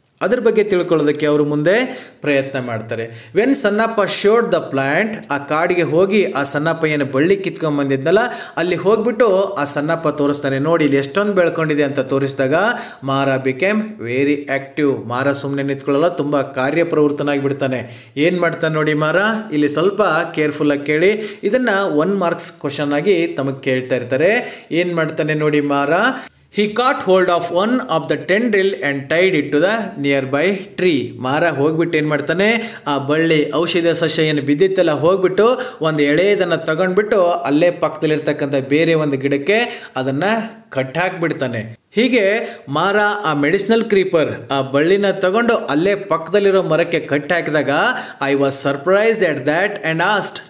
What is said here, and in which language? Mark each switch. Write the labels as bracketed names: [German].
[Kannada] ಅದ್ರ ಬಗ್ಗೆ ತಿಳ್ಕೊಳ್ಳೋದಕ್ಕೆ ಅವರು ಮುಂದೆ ಪ್ರಯತ್ನ ಮಾಡ್ತಾರೆ. [English] when Sannappa showed the plant, [Kannada] ಆ ಕಾಡಿಗೆ ಹೋಗಿ ಆ ಸಣ್ಣಪ್ಪ ಏನು ಬಳ್ಳಿ ಕಿತ್ಕೊಂಬಂದಿದ್ದಲ್ಲ ಅಲ್ಲಿ ಹೋಗ್ಬಿಟ್ಟು ಆ ಸಣ್ಣಪ್ಪ ತೋರಿಸ್ತಾನೆ, ನೋಡಿ ಇಲ್ಲಿ ಎಷ್ಟೊಂದು ಬೆಳ್ಕೊಂಡಿದೆ ಅಂತ ತೋರಿಸಿದಾಗ ಮಾರ [English] Became very active. [Kannada] ಮಾರ ಸುಮ್ಮನೆ ನಿಂತ್ಕೊಳ್ಳಲ್ಲ, ತುಂಬ ಕಾರ್ಯಪ್ರವೃತ್ತನಾಗಿಬಿಡ್ತಾನೆ. ಏನು ಮಾಡ್ತಾನೆ ನೋಡಿ ಮಾರ, ಇಲ್ಲಿ ಸ್ವಲ್ಪ ಕೇರ್ಫುಲ್ ಆಗಿ ಕೇಳಿ, ಇದನ್ನು ಒನ್ ಮಾರ್ಕ್ಸ್ ಕ್ವಶನ್ ಆಗಿ ತಮಗೆ ಕೇಳ್ತಾ ಇರ್ತಾರೆ. ಏನು ಮಾಡ್ತಾನೆ ನೋಡಿ ಮಾರ, [English] He caught hold of one of the tendril and tied it to the nearby tree. [Kannada] ಮಾರ ಹೋಗ್ಬಿಟ್ಟು ಏನು ಮಾಡ್ತಾನೆ, ಆ ಬಳ್ಳಿ ಔಷಧಿ ಸಸ್ಯ ಏನು ಬಿದ್ದಿತ್ತಲ್ಲ ಹೋಗ್ಬಿಟ್ಟು ಒಂದು ಎಳೆಯದನ್ನು ತಗೊಂಡ್ಬಿಟ್ಟು ಅಲ್ಲೇ ಪಕ್ಕದಲ್ಲಿರ್ತಕ್ಕಂಥ ಬೇರೆ ಒಂದು ಗಿಡಕ್ಕೆ ಅದನ್ನು ಕಟ್ಟಾಕ್ಬಿಡ್ತಾನೆ. ಹೀಗೆ ಮಾರ ಆ ಮೆಡಿಸಿನಲ್ ಕ್ರೀಪರ್ ಆ ಬಳ್ಳಿನ ತಗೊಂಡು ಅಲ್ಲೇ ಪಕ್ಕದಲ್ಲಿರೋ ಮರಕ್ಕೆ ಕಟ್ಟಾಕಿದಾಗ [English] I was surprised at that and asked.